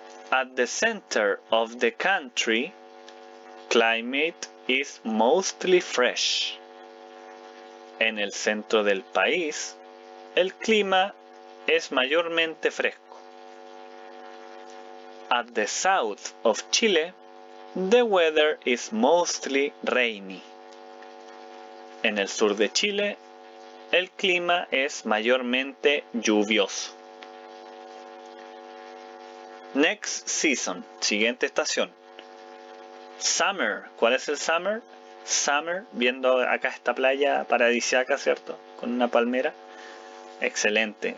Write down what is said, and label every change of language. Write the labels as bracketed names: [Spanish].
[English] At the center of the country, climate is mostly fresh. [Spanish] En el centro del país, el clima es mayormente fresco. [English] At the south of Chile, the weather is mostly rainy. [Spanish] En el sur de Chile, el clima es mayormente lluvioso. [English] Next season, [Spanish] siguiente estación. Summer, ¿cuál es el summer? Summer, viendo acá esta playa paradisíaca, ¿cierto? Con una palmera. Excelente.